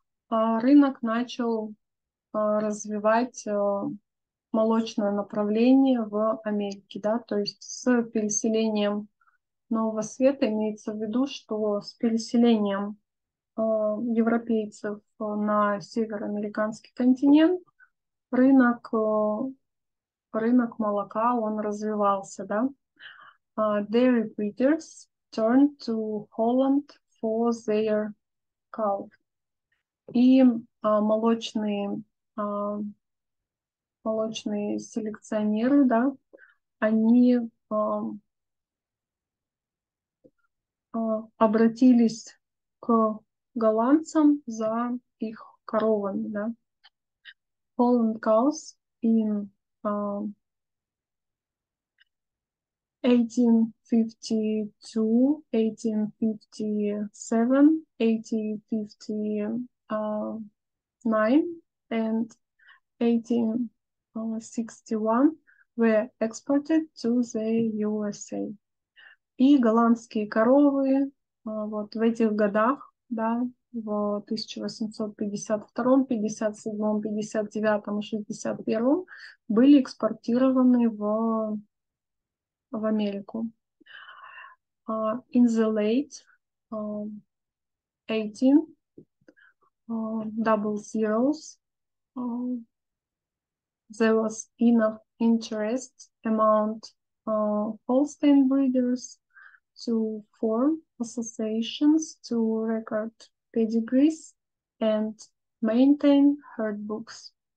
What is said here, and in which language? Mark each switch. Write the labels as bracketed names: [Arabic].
[Russian] Рынок начал развивать молочное направление в Америке, да, то есть с переселением Нового Света имеется в виду, что с переселением европейцев на североамериканский континент рынок молока, он развивался, да. [English] Dairy breeders turned to Holland for their cow. [Russian] И молочные селекционеры, да, они обратились к голландцам за их коровами, да. [English] Holland cows in 1852, 1857, 1859, and 1861 were exported to the USA. [Russian] И голландские коровы вот в этих годах, да, в 1852, 57, 59 и 61 были экспортированы в Америку. [English] In the late 1800s, there was enough interest among Holstein breeders to form associations to record pedigrees and maintain herd books.